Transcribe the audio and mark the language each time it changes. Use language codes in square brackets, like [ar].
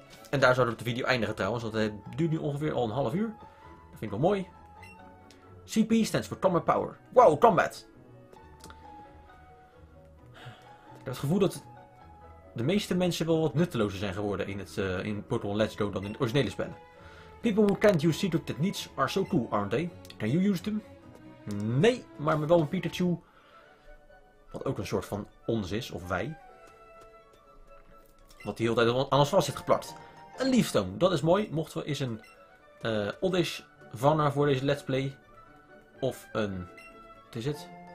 [nl] En daar zouden we de video eindigen trouwens, want het duurt nu ongeveer al een half uur. Dat vind ik wel mooi. [en] CP stands for Combat Power. Wow, combat! [nl] Ik heb het gevoel dat de meeste mensen wel wat nuttelozer zijn geworden in Pokémon Let's Go dan in het originele spel. [en] People who can't use secret techniques are so cool, aren't they? Can you use them? [nl] Nee, maar met wel een Pikachu. Wat ook een soort van ons is, of wij. Wat die hele tijd aan ons vast zit geplakt. Een Leafstone, dat is mooi. Mochten we eens een Oddish vangen voor deze Let's Play. Of een... Wat is het?